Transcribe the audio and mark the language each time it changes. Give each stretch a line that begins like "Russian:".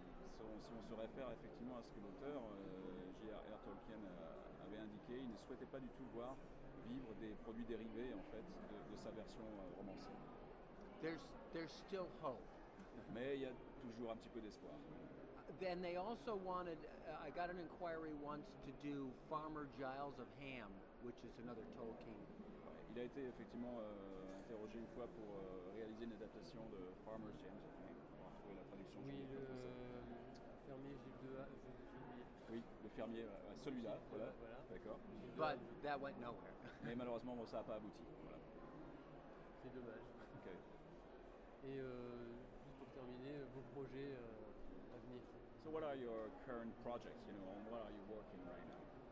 French: Si on se réfère effectivement à ce que l'auteur, J.R.R. Tolkien, avait indiqué, il ne souhaitait pas du tout voir vivre des produits dérivés, en fait, de sa version romancée.
English: There's still hope.
French: Mais il y a toujours un petit peu d'espoir.
English: Then they also wanted, I got an inquiry once to do Farmer Giles of Ham, which is another Tolkien.
French: Ouais, il a été effectivement interrogé une fois pour réaliser une adaptation de Farmer Giles of Ham, pour trouver la traduction. Oui, le fermier Gilles de Ham. Oui, le fermier, celui-là, voilà, d'accord.
English: But that went nowhere.
French: Mais malheureusement, bon, ça n'a pas abouti, voilà. C'est dommage. Ok. Et juste pour terminer, vos projets à venir.
English: So what are your current projects, you know, and what are you working right now?